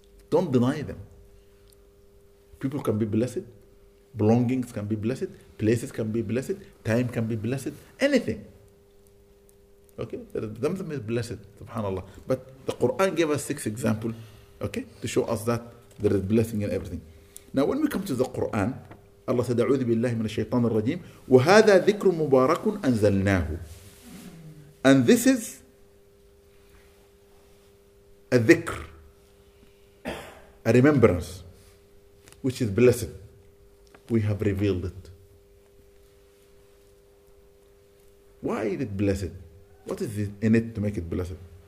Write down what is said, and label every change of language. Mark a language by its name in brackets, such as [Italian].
[English] Don't deny them. People can be blessed. Belongings can be blessed. Places can be blessed. Time can be blessed. Anything. Okay? Them is blessed. Subhanallah. But the Quran gave us 6 examples, okay, to show us that there is blessing in everything. Now when we come to the Quran, Allah said, [Arabic] أعوذ بالله من الشيطان الرجيم وهذا ذكر مبارك أنزلناه. [English] And this is a ذكر, a remembrance, which is blessed. We have revealed it. Why is it blessed? What is it in it to make it blessed?